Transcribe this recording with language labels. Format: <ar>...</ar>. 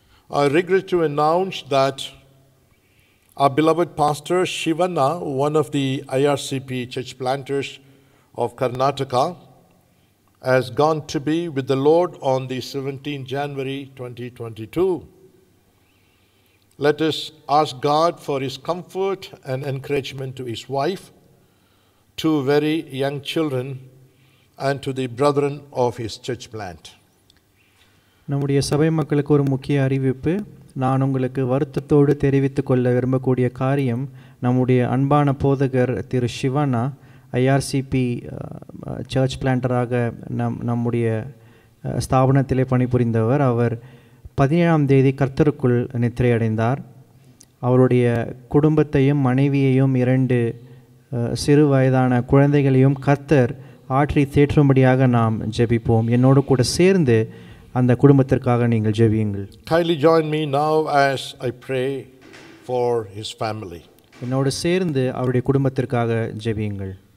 <en>I regret to announce that our beloved pastor Shivanna, one of the IRCP church planters of Karnataka, has gone to be with the Lord on the 17th January 2022. Let us ask God for his comfort and encouragement to his wife, two very young children, and to the brethren of his church plant.</en> <ta>நம்முடைய சபை மக்களுக்கு ஒரு முக்கிய அறிவிப்பு. நான் உங்களுக்கு வருத்தத்தோடு தெரிவித்துக் கொள்ள விரும்பக்கூடிய காரியம், நம்முடைய அன்பான போதகர் திரு சிவனா ஐஆர்சிபி சர்ச் பிளான்டராக நம்முடைய ஸ்தாபனத்திலே பணிபுரிந்தவர். அவர் 17ஆம் தேதி கர்த்தருக்குள் நித்திரையடைந்தார். அவருடைய குடும்பத்தையும் மனைவியையும் இரண்டு சிறு வயதான குழந்தைகளையும் கர்த்தர் ஆற்றி தேற்றும்படியாக நாம் ஜெபிப்போம். என்னோடு கூட சேர்ந்து அந்த குடும்பத்திற்காக நீங்கள் ஜெபியுங்கள்.</ta> <en>Kindly join me now as I pray for his family.</en> <ta>என்னோடு சேர்ந்து அவருடைய குடும்பத்திற்காக ஜெபியுங்கள்.</ta>